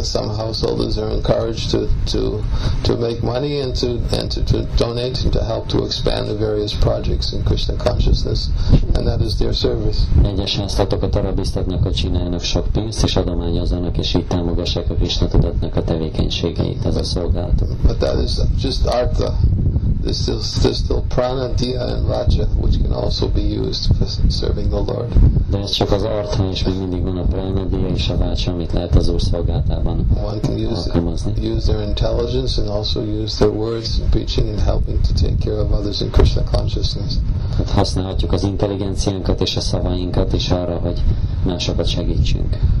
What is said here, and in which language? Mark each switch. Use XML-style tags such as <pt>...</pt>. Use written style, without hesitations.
<en>Some householders are encouraged to make money and to donate and to help to expand the various projects in Krishna consciousness, and that is their service.</en> <hu>Egyes házlatokat arra biztatnak, hogy csináljanak sok pénzt, és adományozzanak, és így támogassák a Krishna tudatnak a tevékenységeit, az a szolgálatok.</hu> <en>But that is just artha. There's still prana, diya, and vacha, which can also be used for serving the Lord.</en> <hu>De ez csak az artha, és még mindig van a prana, diya, és a vacha, amit lehet az Úr szolgálatában alkalmazni.</hu> <en>One can use their intelligence and also use their words in preaching and helping to take care of others in Krishna consciousness.</en> <hu>Tehát használhatjuk az intelligenciánkat és a szavainkat is arra, hogy másokat segítsünk.</hu>